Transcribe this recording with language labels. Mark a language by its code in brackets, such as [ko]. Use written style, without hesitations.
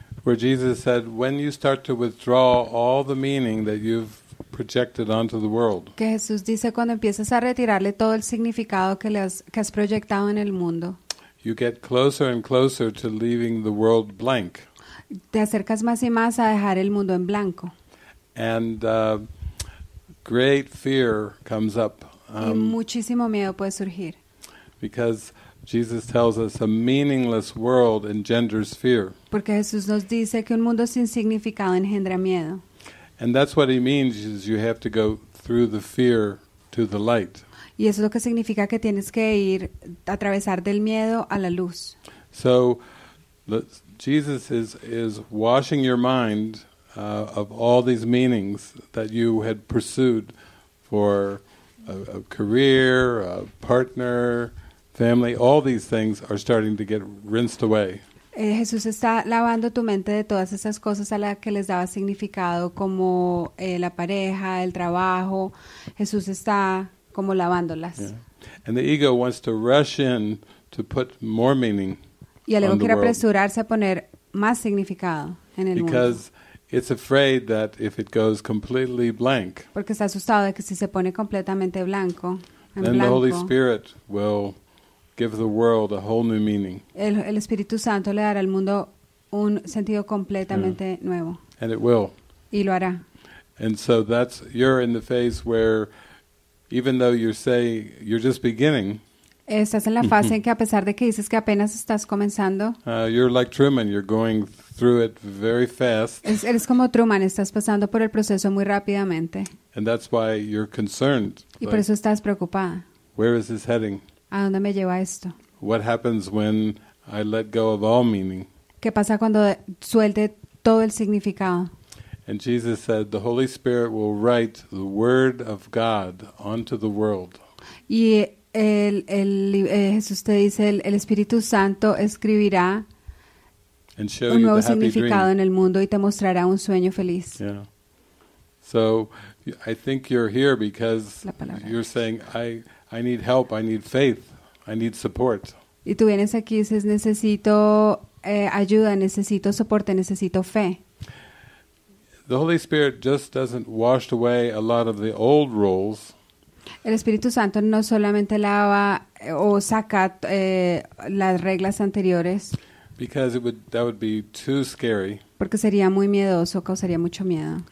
[en] Where Jesus said, when you start to withdraw all the meaning that you've projected onto the world. [es] Que Jesús dice cuando empiezas a retirarle todo el significado que has proyectado en el mundo. [en] You get closer and closer to leaving the world blank. [es] Te acercas más y más a dejar el mundo en blanco. [en] And great fear comes up. [es] Y muchísimo miedo puede surgir. [en] Because Jesus tells us a meaningless world engenders fear. [es] Porque Jesús nos dice que un mundo sin significado engendra miedo. [en] And that's what he means is you have to go through the fear to the light. [es] Y eso es lo que significa que tienes que ir a atravesar del miedo a la luz. [en] So Jesus is washing your mind of all these meanings that you had pursued for a career, a partner, family, all these things are starting to get rinsed away. [es] Jesús está lavando tu mente de todas esas cosas a las que les daba significado, como la pareja, el trabajo. Jesús está como lavándolas. [en] Yeah. And the ego wants to rush in to put more meaning. [es] Y el ego quiere apresurarse a poner más significado en el [en] because [es] mundo. [en] Because it's afraid that if it goes completely blank. [es] Porque está asustado de que si se pone completamente blanco. [en] Then [es] blanco, [en] the Holy Spirit will give the world a whole new meaning. [es] El Espíritu Santo le dará al mundo un sentido completamente yeah. nuevo. [en] And it will. [es] Y lo hará. [en] And so that's you're in the phase where even though you say you're just beginning. [es] Estás en la fase en que a pesar de que dices que apenas estás comenzando. [en] You're like Truman, you're going through it very fast. [es] Eres como Truman, estás pasando por el proceso muy rápidamente. [en] And that's why you're concerned. [es] Y por eso estás preocupada. [en] Where is this heading? [es] ¿A dónde me lleva esto? [en] What happens when I let go of all meaning? [es] ¿Qué pasa cuando suelte todo el significado? [en] And Jesus said the Holy Spirit will write the word of God onto the world. [es] Y Jesús te dice el Espíritu Santo escribirá [en] and show [es] un nuevo [en] you the [es] significado [en] happy dream. [es] En el mundo y te mostrará un sueño feliz. [en] Yeah. So I think you're here because you're saying I need help, I need faith, I need support. [es] Y tú vienes aquí y dices, necesito ayuda, necesito soporte, necesito fe. [en] The Holy Spirit just doesn't wash away a lot of the old roles. [es] El Espíritu Santo no solamente lava o saca las reglas anteriores. [en] Because that would be too scary. [es] Porque sería muy miedoso, causaría mucho miedo.